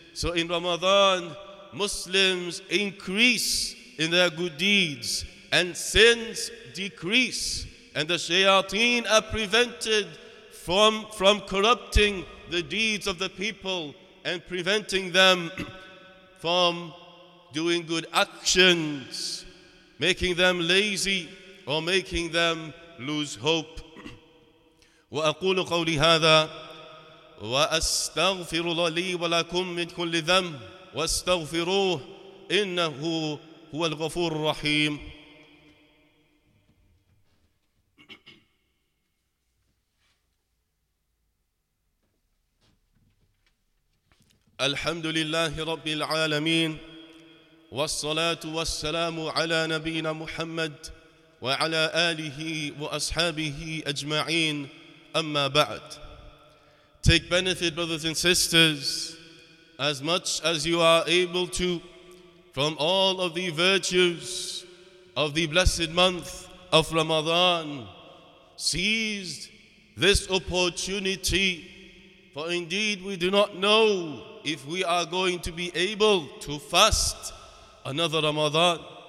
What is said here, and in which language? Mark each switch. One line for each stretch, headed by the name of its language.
English: So in Ramadan, Muslims increase in their good deeds and sins decrease, and the shayateen are prevented from corrupting the deeds of the people and preventing them from doing good actions, making them lazy or making them lose hope.
Arabic: وَأَقُولُ قَوْلِ هَذَا واستغفر الله لي ولكم من كل ذنب واستغفروه انه هو الغفور الرحيم. الحمد لله رب العالمين والصلاة والسلام على نبينا محمد وعلى آله وأصحابه أجمعين، أما بعد.
English: Take benefit, brothers and sisters, as much as you are able to, from all of the virtues of the blessed month of Ramadan. Seize this opportunity, for indeed we do not know if we are going to be able to fast another Ramadan.